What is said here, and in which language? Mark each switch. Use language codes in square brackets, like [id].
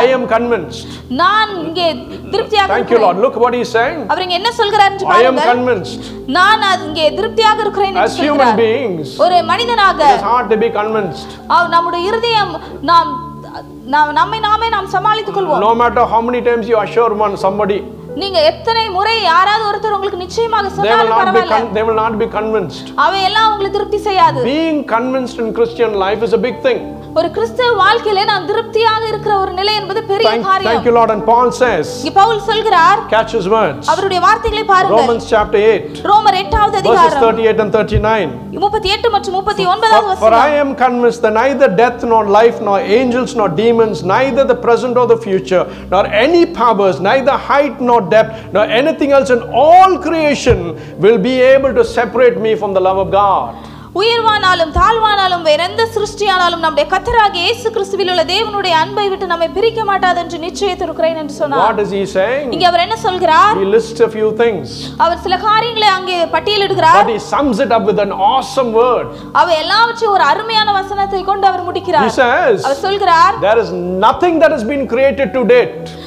[en] I am convinced [ta] நான் இங்கே திருப்தியாக இருக்கிறேன் [en] Thank you Lord look what he is saying [ta] அவர் இங்கே என்ன சொல்றார் என்று பாருங்கள் [en] I am convinced [ta] நான் இங்கே திருப்தியாக இருக்கிறேன் என்று சொல்றார் [en] As human beings [ta] ஒரு மனிதனாக [en] It is hard to be convinced [ta] அவர் நம்முடைய இதயம் நாம் நம்மை நாம் சமாளித்துக் கொள்வோம் [en] No matter how many times you assure one somebody [ta] நீங்க எத்தனை முறை யாராவது ஒருத்தர் உங்களுக்கு நிச்சயமாக சொன்னாலும் பரவாயில்லை [en] they will not be convinced [ta] அவை எல்லாம் உங்களை திருப்தி செய்யாது [en] being convinced in christian life is a big thing [ta] ஒரு கிறிஸ்தவ வாழ்க்கையில நான் திருப்தியாக இருக்கிற ஒரு நிலை என்பது பெரிய காரியம் [en] thank you lord and paul says [ta] இங்க பவுல் சொல்கிறார் [en] catch his words [ta] அவருடைய வார்த்தைகளை பாருங்க [en] romans chapter 8 [ta] ரோமர் 8வது அதிகாரம் [en] verses 38 and 39 [ta] 38 மற்றும் 39வது வசனம் [en] For I am convinced that neither death nor life nor angels nor demons neither the present or the future nor any powers neither height nor depth nor anything else in all creation will be able to separate me from the love of God [ta] உயிர்வானாலும் தாழ்வானாலும் வேற எந்த சிருஷ்டியானாலும் நம்முடைய கர்த்தராகிய இயேசு கிறிஸ்துவில் உள்ள தேவனுடைய அன்பை விட்டு நம்மை பிரிக்க மாட்டாது என்று நிச்சயித்திருக்கிறேன் என்று சொன்னார் [en] What is he saying? [ta] இங்க அவர் என்ன சொல்கிறார்? [en] He lists a few things. [ta] அவர் சில காரியங்களை அங்கே பட்டியலிடுகிறார். [en] But he sums it up with an awesome word. [ta] அவர் எல்லாவற்றையும் ஒரு அருமையான வசனத்தை கொண்டு அவர் முடிக்கிறார். [en] He says. [ta] அவர் சொல்கிறார். [en] There is nothing that has been created to date.